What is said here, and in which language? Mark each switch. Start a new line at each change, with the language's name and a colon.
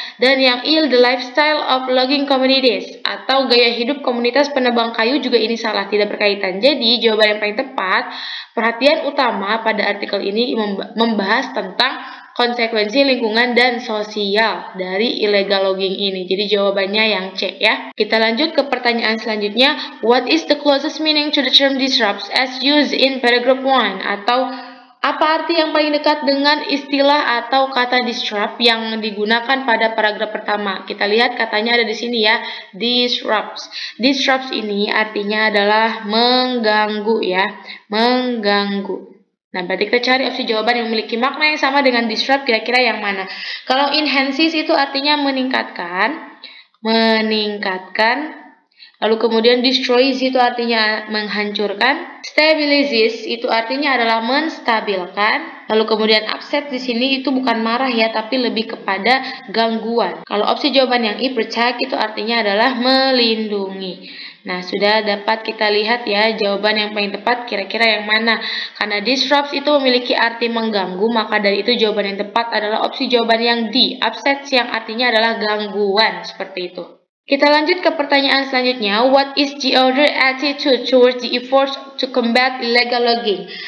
Indonesian: Dan yang I,
English: the lifestyle of logging communities
Indonesian: atau gaya hidup komunitas penebang kayu, juga ini salah, tidak berkaitan. Jadi, jawaban yang paling tepat, perhatian utama pada artikel ini membahas tentang konsekuensi lingkungan dan sosial dari illegal logging ini. Jadi jawabannya yang C, ya. Kita lanjut ke pertanyaan selanjutnya.
English: What is the closest meaning to the term disrupts as used in paragraph 1?
Indonesian: Atau apa arti yang paling dekat dengan istilah atau kata disrupt yang digunakan pada paragraf pertama? Kita lihat katanya ada di sini, ya, disrupts. Disrupts ini artinya adalah mengganggu, ya, mengganggu. Nah, berarti kita cari opsi jawaban yang memiliki makna yang sama dengan disrupt, kira-kira yang mana. Kalau enhances itu artinya meningkatkan, meningkatkan. Lalu kemudian destroys itu artinya menghancurkan. Stabilizes itu artinya adalah menstabilkan. Lalu kemudian upset di sini itu bukan marah, ya, tapi lebih kepada gangguan. Kalau opsi jawaban yang I, protect, itu artinya adalah melindungi. Nah, sudah dapat kita lihat, ya, jawaban yang paling tepat kira-kira yang mana. Karena disrupts itu memiliki arti mengganggu, maka dari itu jawaban yang tepat adalah opsi jawaban yang D, upset, yang artinya adalah gangguan, seperti itu. Kita lanjut ke pertanyaan selanjutnya.
English: What is the other attitude towards the efforts to combat illegal logging?